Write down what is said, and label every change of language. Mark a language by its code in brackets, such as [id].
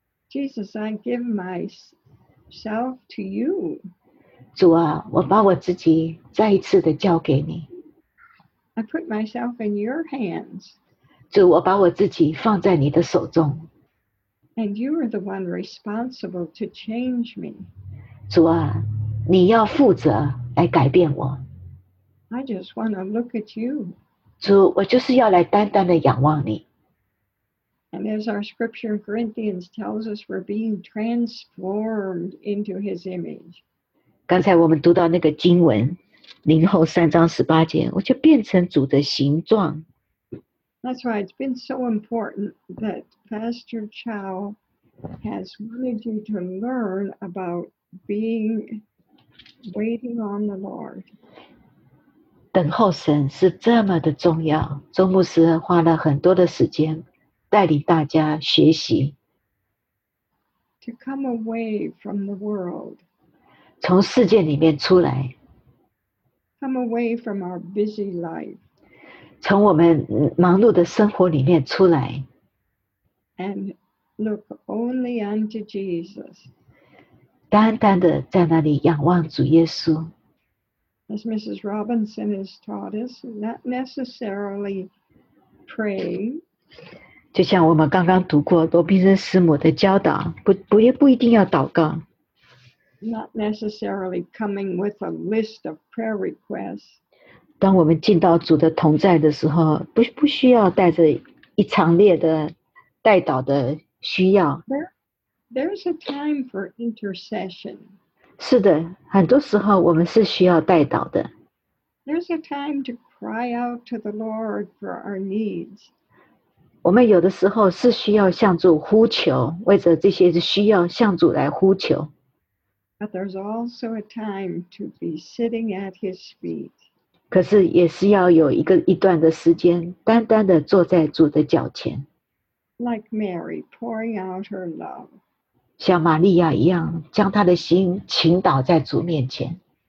[en] Jesus, I give myself to you. [zh] 主啊，我把我自己再一次的交给你。 [en] I put myself in your hands. [zh] 主，我把我自己放在你的手中。 [en] And you are the one responsible to change me. [zh] 主啊，你要负责来改变我。 [en] I just want to look at you. [zh] 主，我就是要来单单的仰望你。 [en] And as our scripture in Corinthians tells us, we're being transformed into his image. [zh] 刚才我们读到那个经文，林后三章十八节，我就变成主的形状。 [en] That's right, it's been so important that Pastor Chow has wanted you to learn about being waiting on the Lord. [zh] 等候神是这么的重要，周牧师花了很多的时间带领大家学习。 [en] To come away from the world. [zh] 从世界里面出来。 [en] Come away from our busy life. [zh] 从我们忙碌的生活里面出来。 [en] And look only unto Jesus. [zh] 单单的在那里仰望主耶稣。 [en] As Mrs. Robinson has taught us, not necessarily praying. [zh] 就像我们刚刚读过罗宾森师母的教导，不一定要祷告。 [en] Not necessarily coming with a list of prayer requests. [zh] 当我们进到主的同在的时候，不需要带着一长列的代祷的需要。 [en] There's a time for intercession. [zh] 是的，很多时候我们是需要代祷的。 [en] There's a time to cry out to the Lord for our needs. [zh] 我们有的时候是需要向主呼求，为着这些需要向主来呼求。 [en] But there's also a time to be sitting at his feet. [zh] 可是也是要有一段的时间单单的坐在主的脚前。 [en] Like Mary pouring out her love. [zh] 像玛利亚一样将她的心倾倒在主面前。